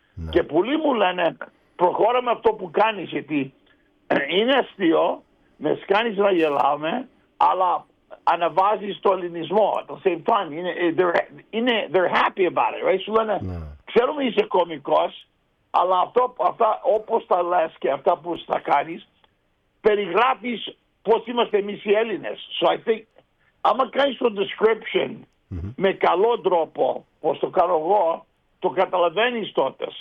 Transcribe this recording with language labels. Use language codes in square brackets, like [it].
[el] Και πολλοί μου λένε προχώρα με αυτό που κάνεις, γιατί είναι αστείο, με κάνεις να γελάμε, αλλά αναβάζεις το ελληνισμό. [en] At the same time, they're happy about it, right? [el] Σου λένε, ξέρουμε είσαι κωμικός, αλλά αυτά όπως τα λες και αυτά που θα κάνεις, περιγράφεις πώς είμαστε εμείς οι Έλληνες. [en] So I think, [el] άμα κάνεις το description με καλό τρόπο, όπως το κάνω εγώ, το καταλαβαίνεις τότε.